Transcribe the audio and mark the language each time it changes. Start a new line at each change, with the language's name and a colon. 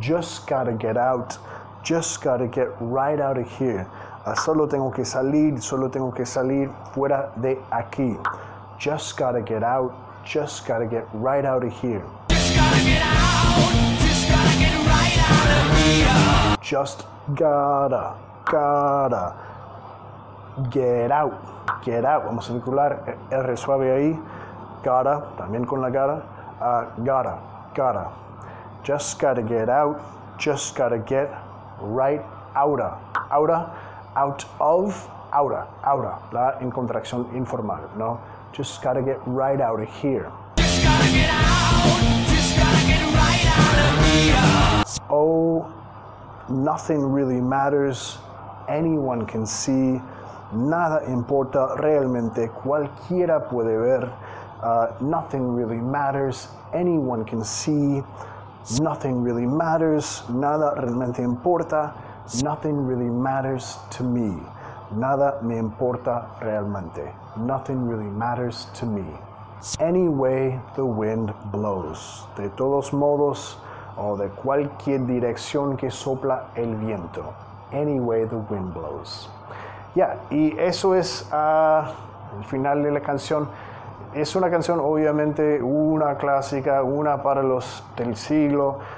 English: Just gotta get out, just gotta get right out of here.
Spanish: Solo tengo que salir fuera de aquí.
English: Just gotta get out, just gotta get right out of here. Just gotta get out, just gotta get right out of here. Just gotta, gotta get out, get out.
Spanish: Vamos a circular R suave ahí. Gotta, también con la gotta.
English: Gotta, gotta. Just gotta get out, just gotta get right outa. Outa, out of, outa, outa.
Spanish: La en contracción informal, ¿no?
English: Just gotta get right out of here. Just gotta get out. Just gotta get right out of here. Oh, nothing really matters. Anyone can see.
Spanish: Nada importa realmente. Cualquiera puede ver.
English: Nothing really matters. Anyone can see. Nothing really matters.
Spanish: Nada realmente importa.
English: Nothing really matters to me.
Spanish: Nada me importa realmente.
English: Nothing really matters to me. Anyway, the wind blows.
Spanish: De todos modos, o de cualquier dirección que sopla el viento.
English: Anyway, the wind blows.
Spanish: Yeah, y eso es el final de la canción. Es una canción, obviamente, una clásica, una para los del siglo.